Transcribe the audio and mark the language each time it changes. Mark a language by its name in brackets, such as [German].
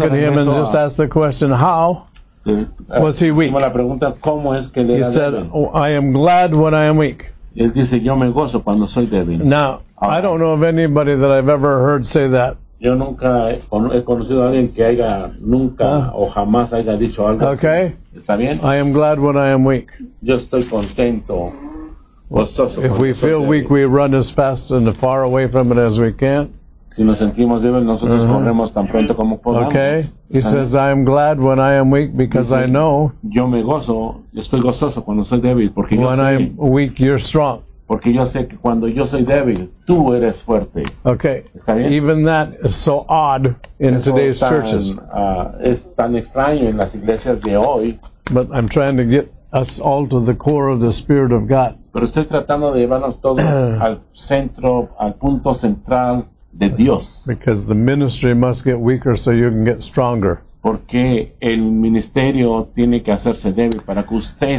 [English] look at him and just ask the question, how was he weak? [Spanish] La pregunta, ¿cómo es que le [English] he [Spanish] era [English] said, oh, I am glad when I am weak. [Spanish] Él dice, yo me gozo cuando soy débil. [English] Now, ahora. I don't know of anybody that I've ever heard say that. [Spanish] Yo nunca he conocido a alguien que haya nunca o jamás haya dicho algo [English] okay. [Spanish] así. ¿Está bien? [English] I am glad when I am weak. [Spanish] Yo estoy contento. [English] If we feel weak, we run as fast and far away from it as we can. [Spanish] Si nos sentimos débiles, nosotros corremos tan pronto como podamos. [English] Okay. He says, I am glad when I am weak because I know. [Spanish] Yo me gozo, estoy gozoso cuando soy débil porque [English] when [Spanish] yo sé. [English] When I'm weak, you're strong. [Spanish] Porque yo sé que cuando yo soy débil, tú eres fuerte. [English] Okay. [Spanish] ¿Está bien? [English] Even that is so odd in [Spanish] eso [English] today's [Spanish] tan, [English] churches. [Spanish] Es tan extraño en las iglesias de hoy. [English] But I'm trying to get us all to the core of the Spirit of God. [Spanish] Pero estoy tratando de llevarnos todos al centro, al punto central de Dios. [English] Because the ministry must get weaker so you can get stronger. [Spanish] Porque el ministerio tiene que hacerse débil para que usted se